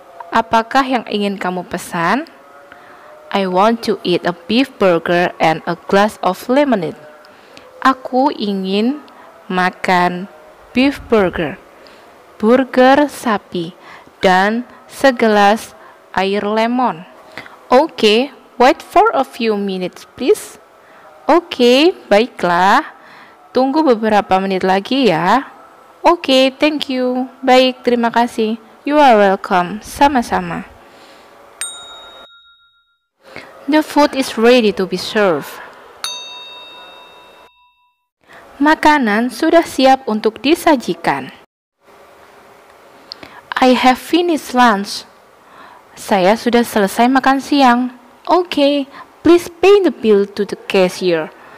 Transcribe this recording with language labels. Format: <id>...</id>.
<id>Apakah yang ingin kamu pesan?</id> <en>I want to eat a beef burger and a glass of lemonade.</en> <id>Aku ingin makan beef burger, burger sapi, dan segelas air lemon.</id> <en>Okay, wait for a few minutes, please.</en> <id>Okay, baiklah. Tunggu beberapa menit lagi, ya.</id> <en>Okay, thank you.</en> <id>Baik, terima kasih.</id> <en>You are welcome.</en> <id>Sama-sama.</id> <en>The food is ready to be served.</en> <id>Makanan sudah siap untuk disajikan.</id> <en>I have finished lunch.</en> <id>Saya sudah selesai makan siang.</id> <en>Okay, please pay the bill to the cashier.</en>